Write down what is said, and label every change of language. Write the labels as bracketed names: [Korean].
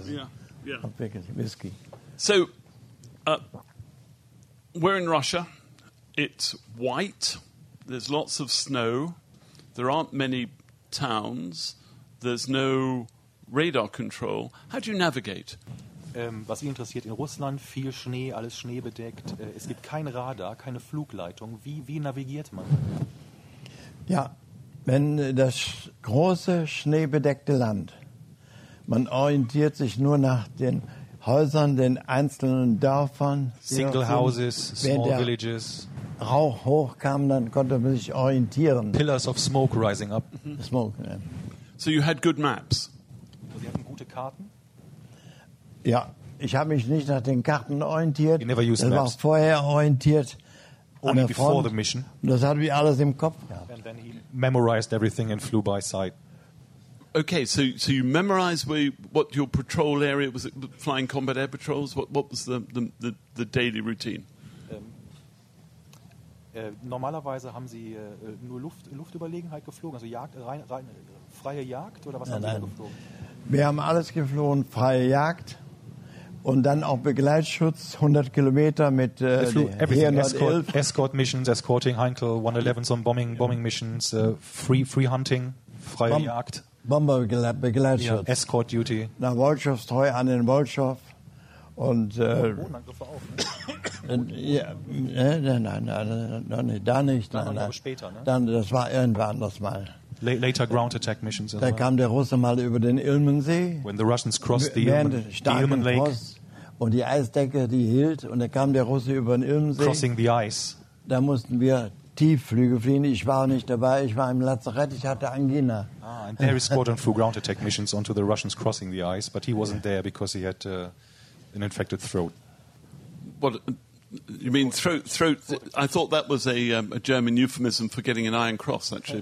[English] Yeah. I'm thinking whiskey. So, we're in Russia. It's white. There's lots of snow. There aren't many towns. There's no radar control. How do you navigate? [German] Was Sie interessiert, in Russland viel Schnee, alles schneebedeckt, es gibt kein Radar, keine Flugleitung. Wie navigiert man? Ja, wenn das große schneebedeckte Land, man orientiert sich nur nach den Häusern, den einzelnen Dörfern. [English] Single houses, small villages. [German] Wenn der Rauch hochkam, dann konnte man sich orientieren. [English] Pillars of smoke rising up. Smoke, yeah. So you had good maps. [German] Sie hatten gute Karten? Ja, ich habe mich nicht nach den Karten orientiert. [English] You never used [German] das [English] maps. [German] War vorher orientiert. [English] Only before Front. The mission. [German] Und das hatte ich alles im Kopf gehabt. [English] And then he memorized everything and flew by sight. Okay, so you memorized what your patrol area was, it flying combat air patrols? What was the daily routine? [German] Normalerweise haben Sie nur Luftüberlegenheit geflogen, also Jagd, rein freie Jagd oder was haben Sie geflogen? Wir haben alles geflogen, freie Jagd und dann auch Begleitschutz, 100 Kilometer mit [English] Escort, Escort Missions, Escorting Heinkel, 111s on bombing Missions, free Hunting, [German] freie Jagd. Bomberbegleitschutz. [English] Ja, Escort Duty. [German] Na, Wolchow's treu an den Wolchow. Und Bodenangriffe auch, ne? Nein, da nicht. Dann aber später, ne? Dann, das war irgendwann anders mal. [English] later ground attack missions. [German] Da kam der Russe mal über den Ilmensee. [English] When the Russians crossed the Ilmen Lake. [German] Und die Eisdecke, die hielt. Und da kam der Russe über den Ilmensee. [English] Crossing the ice. [German] Da mussten wir Tiefflüge fliegen. Ich war nicht dabei. Ich war im Lazarett. Ich hatte Angina. [English] Ah, and there is squadron flew ground attack missions onto the Russians crossing the ice. But he wasn't there because he had an infected throat. What? You mean throat? Throat? I thought that was a German euphemism for getting an Iron Cross, actually.